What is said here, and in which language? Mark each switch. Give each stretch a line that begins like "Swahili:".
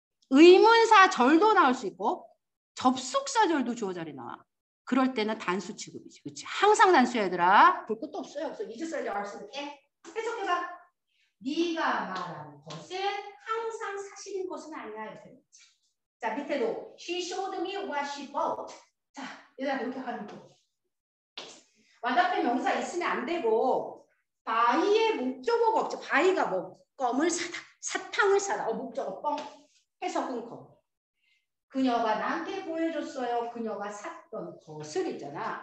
Korean: 의문사 절도 나올 수 있고 접속사 절도 주어 자리에 나와. 그럴 때는 단수 취급이지. 그렇지? 항상 단수야 얘들아. 볼 것도 없어요. 없어. 이제서야 알 수 있게 해석해봐. 네가 말한 것은 항상 사실인 것은 아니야. 자 밑에도
English: she showed me what she bought.
Korean: 자 얘들아 이렇게 하는 거. 와답해 명사 있으면 안 되고 바이의 목적어가 없죠. 바이가 뭐 껌을 사다 사탕을 사다. 어 목적어 뻥 해석은 거. 그녀가 나한테 보여줬어요. 그녀가 샀던 것을 있잖아.